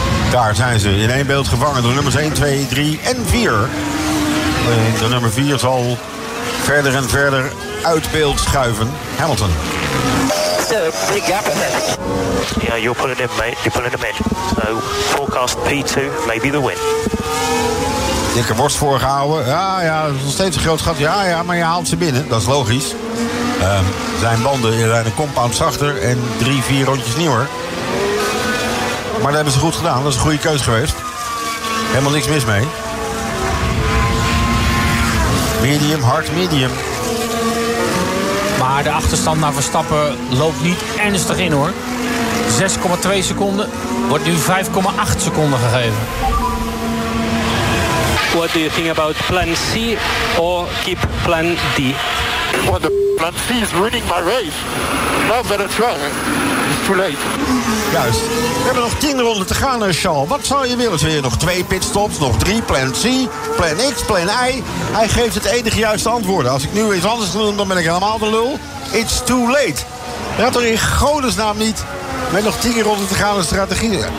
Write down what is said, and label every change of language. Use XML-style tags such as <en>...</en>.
<nl>Daar zijn ze in één beeld gevangen. De nummers 1, 2, 3 en 4. De nummer 4 zal verder en verder uit beeld schuiven. Hamilton.</nl> <en>Yeah, you're pulling in, mate. You're pulling in. So, forecast P2, maybe the win.</en> <nl>Dikke worst voorgehouden. Ja, ja, nog steeds een groot gat. Ja, ja, maar je haalt ze binnen. Dat is logisch. Zijn banden zijn een compound zachter en 3-4 rondjes nieuwer. Maar dat hebben ze goed gedaan. Dat is een goede keuze geweest. Helemaal niks mis mee. Medium, hard medium. Maar de achterstand naar Verstappen loopt niet ernstig in, hoor. 6,2 seconden. Wordt nu 5,8 seconden gegeven.</nl> <en>What do you think about plan C or keep plan D? What the plan C is winning my race. Now better try. It's too late.</en> <nl>Juist. We hebben nog 10 ronden te gaan, Charles. Wat zou je willen? Wil je nog 2 pitstops, nog 3, plan C, plan X, plan I? Hij geeft het enige juiste antwoord. Als ik nu iets anders doe, dan ben ik helemaal de lul.</nl> <en>It's too late.</en> <nl>Je had er in godesnaam niet met nog 10 ronden te gaan een strategie.</nl>